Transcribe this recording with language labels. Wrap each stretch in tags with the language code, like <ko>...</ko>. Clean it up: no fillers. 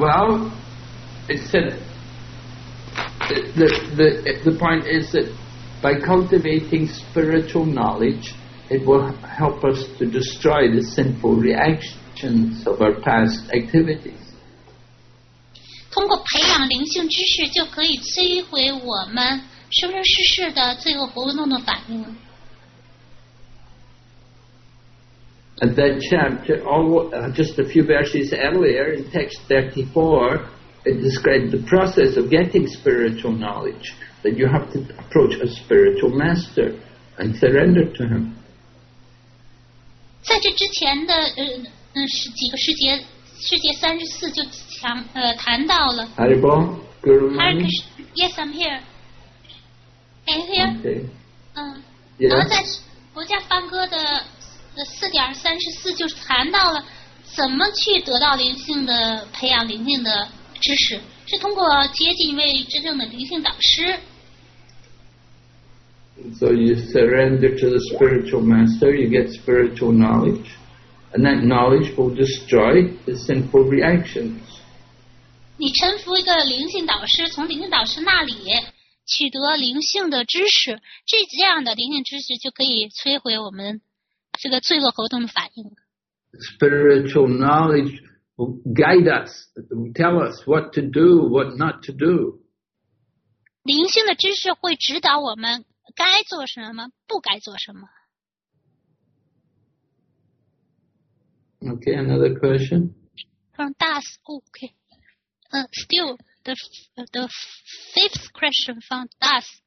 <en>Well, it said the point is that by cultivating spiritual knowledge, it will help us to destroy the sinful reactions of our past activities.</en> <zh>通过培养灵性知识，就可以摧毁我们生生世世的罪恶活动的反应。</zh> <en>And that chapter, just a few verses earlier, in text 34, it described the process of getting spiritual knowledge, that you have to approach a spiritual master and surrender to him.</en> <zh>在这之前的几个世节，世节三十四就强谈到了。</zh> <en>Hare Bom, Guru Mani. Yes, I'm here. Are you here? Okay. Yes.</en> <zh>然后在国家梵歌的4.34就谈到了怎么去得到灵性的培养灵性的知识，是通过接近一位真正的灵性导师。</zh> <en>So you surrender to the spiritual master, you get spiritual knowledge, and that knowledge will destroy the sinful reactions.</en> <zh>你臣服一个灵性导师，从灵性导师那里取得灵性的知识，这样的灵性知识就可以摧毁我们。这个罪恶活动的反应。</zh> <en>Spiritual knowledge will guide us, tell us what to do, what not to do.</en> <zh>灵性的知识会指导我们该做什么，不该做什么。</zh> <en>Okay, another question. From Das, okay. Still, the fifth question from Das.</en>